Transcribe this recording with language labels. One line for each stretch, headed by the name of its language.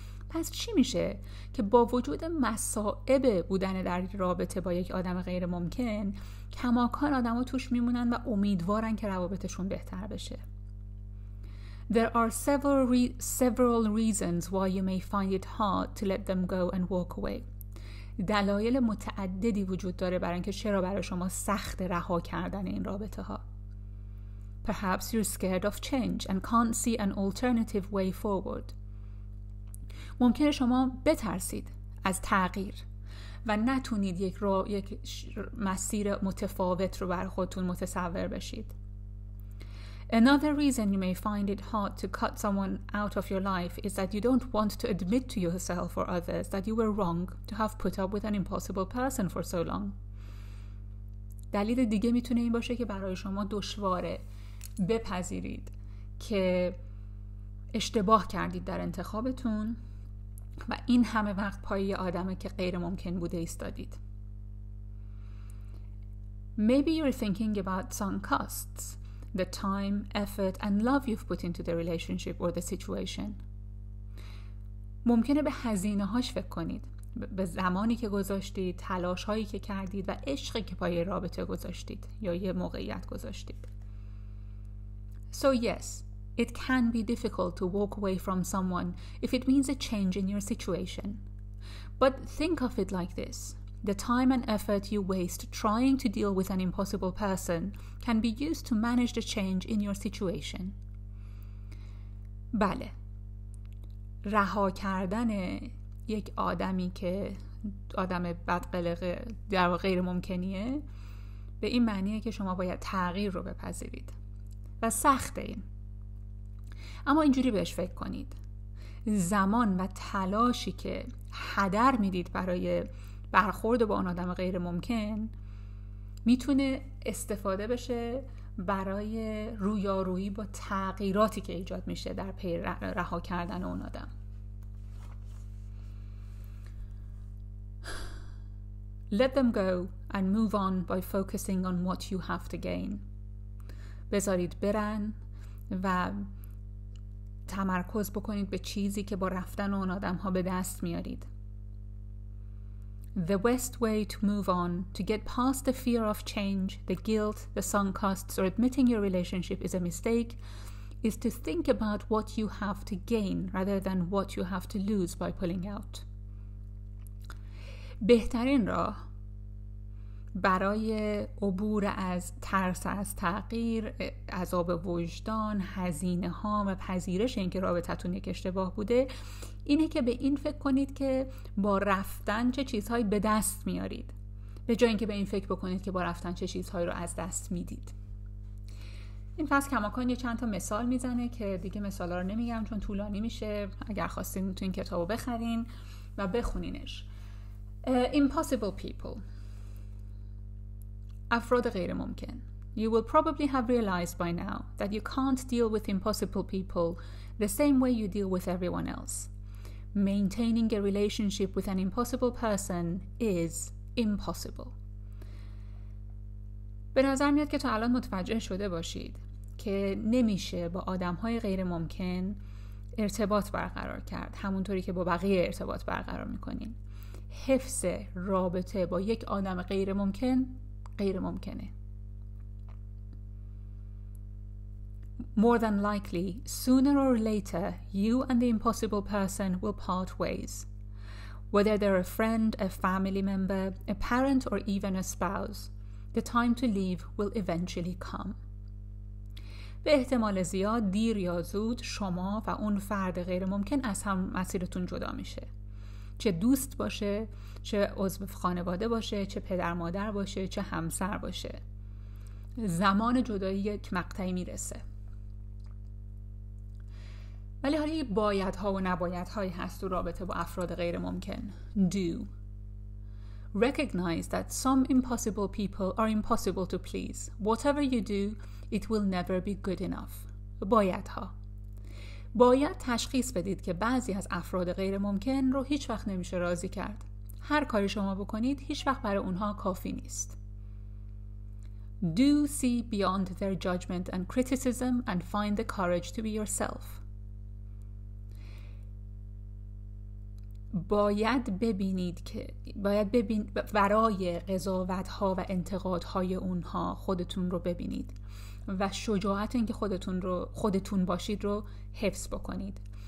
Persian: پس چی میشه که با وجود مصائب بودن در رابطه با یک آدم غیر ممکن کماکان آدم ها توش میمونن و امیدوارن که روابطشون بهتر بشه.
English: There are several reasons why you may find it hard to let them go and walk away.
Persian: دلایل متعددی وجود داره برای اینکه چرا برای شما سخت رها کردن این رابطه ها.
English: Perhaps you're scared of change and can't see an alternative way forward.
Persian: ممکنه شما بترسید از تغییر و نتونید یک مسیر متفاوت رو برای خودتون متصور بشید.
English: Another reason you may find it hard to cut someone out of your life is that you don't want to admit to yourself or others that you were wrong to have put up with an impossible person for so long.
Persian: دلیل دیگه میتونه این باشه که برای شما دشواره بپذیرید که اشتباه کردید در انتخابتون و این همه وقت پای یه آدمی که غیر ممکن بوده ایستادید.
English: Maybe you're thinking about sunk costs. The time, effort, and love you've put into the relationship or the situation.
Persian: ممکنه به هزینه‌هاش فکر کنید، به زمانی که گذاشتید، تلاش‌هایی که کردید و عشقی که پای رابطه گذاشتید یا یه موقعیت گذاشتید.
English: So yes, it can be difficult to walk away from someone if it means a change in your situation. But think of it like this. The time and effort you waste trying to deal with an impossible person can be used to manage the change in your situation.
Persian: بله. رها کردن یک آدمی که آدم بدقلق در غیر ممکنیه به این معنیه که شما باید تغییر رو بپذیرید. و سخته این. اما اینجوری بهش فکر کنید. زمان و تلاشی که هدر میدید برای برخورد با اون آدم غیر ممکن میتونه استفاده بشه برای رویارویی با تغییراتی که ایجاد میشه در پی رها کردن اون آدم.
English: Let them go and move on by focusing on what you have to gain.
Persian: بذارید برن و تمرکز بکنید به چیزی که با رفتن اون آدم ها به دست میارید.
English: The best way to move on, to get past the fear of change, the guilt, the sunk costs, or admitting your relationship is a mistake, is to think about what you have to gain rather than what you have to lose by pulling out.
Persian: بهترین راه برای عبور از ترس از تغییر، عذاب وجدان، هزینه ها و پذیرش اینکه رابطتون یک اشتباه بوده اینه که به این فکر کنید که با رفتن چه چیزهایی به دست میارید به جای اینکه به این فکر بکنید که با رفتن چه چیزهایی رو از دست میدید. این فصل کماکان یه چند تا مثال میزنه که دیگه مثالا رو نمیگم چون طولانی میشه. اگر خواستین میتونین کتابو بخرین و بخونینش.
English: Impossible people.
Persian: افراد غیر ممکن.
English: You will probably have realized by now that you can't deal with impossible people the same way you deal with everyone else. Maintaining a relationship with an impossible person is impossible.
Persian: به نظر میاد که تا الان متوجه شده باشید که نمیشه با آدم‌های غیر ممکن ارتباط برقرار کرد، همونطوری که با بقیه ارتباط برقرار می‌کنین. حفظ رابطه با یک آدم غیر ممکن غیر ممکنه.
English: More than likely, sooner or later, you and the impossible person will part ways. Whether they're a friend, a family member, a parent, or even a spouse, the time to leave will eventually come.
Persian: به احتمال زیاد دیر یا زود شما و اون فرد غیر ممکن از هم مسیرتون جدا میشه. چه دوست باشه، چه عضو خانواده باشه، چه پدر مادر باشه، چه همسر باشه. زمان جدایی یک مقطعی میرسه. ولی حالا یه بایدها و نبایدهایی هست و رابطه با افراد غیر ممکن.
English: Do. Recognize that some impossible people are impossible to please. Whatever you do, it will never be good enough.
Persian: بایدها. باید تشخیص بدید که بعضی از افراد غیر ممکن رو هیچ وقت نمیشه راضی کرد. هر کاری شما بکنید هیچ وقت برای اونها کافی نیست.
English: Do see beyond their judgment and criticism and find the courage to be yourself.
Persian: باید ببینید که برای قضاوت‌ها و انتقادهای اونها خودتون رو ببینید و شجاعت اینکه خودتون باشید رو حفظ بکنید.